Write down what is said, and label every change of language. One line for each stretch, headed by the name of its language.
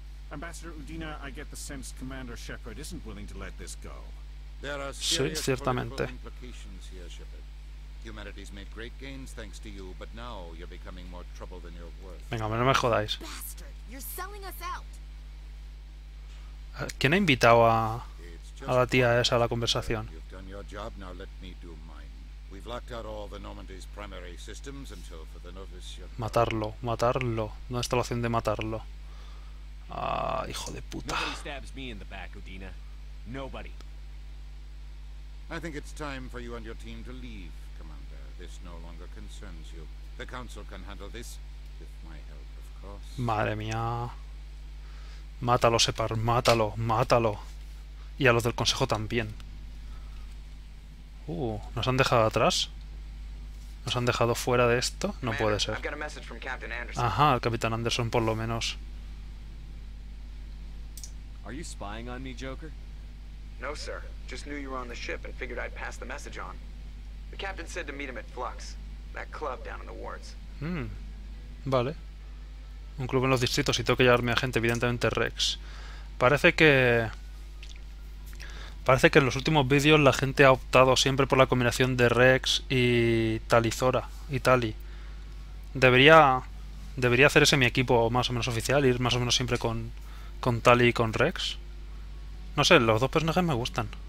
English: Ambassador Udina, I get the sense Commander Shepard isn't willing to let this go. There are serious political implications here, Shepard. Humanity's made great gains thanks to you, but now you're becoming more trouble than you're worth.
Spanish: Venga, no me jodáis.
English: Bastard, you're selling us out.
Spanish: ¿Quién ha invitado a la tía esa a la conversación?
English: You've done your job, now let me do mine. We've locked out all the Normandy's primary systems until for the notice you're...
Spanish: Matarlo, matarlo. No está la opción de matarlo. Ah, hijo de puta.
English: Nobody stabs me in the back, Udina. Nobody. I think it's time for you and your team to leave, Commander. This no longer concerns you. The Council can handle this with my help, of course.
Spanish: Madre mía. Mátalo, Separ, mátalo, mátalo. Y a los del Consejo también. ¿Nos han dejado atrás? ¿Nos han dejado fuera de esto? No puede ser. Ajá, el Capitán Anderson por lo menos.
English: Are you spying on me, Joker? No, sir. Just knew you were on the ship and figured I'd pass the message on. The captain said to meet him at Flux, that club down in the wards.
Spanish: Vale. Un club en los distritos y tengo que llevarme a gente, evidentemente Rex. Parece que en los últimos vídeos la gente ha optado siempre por la combinación de Rex y Talizora y Tali. Debería hacer ese mi equipo más o menos oficial, ir más o menos siempre con Tali y con Rex. No sé, los dos personajes me gustan.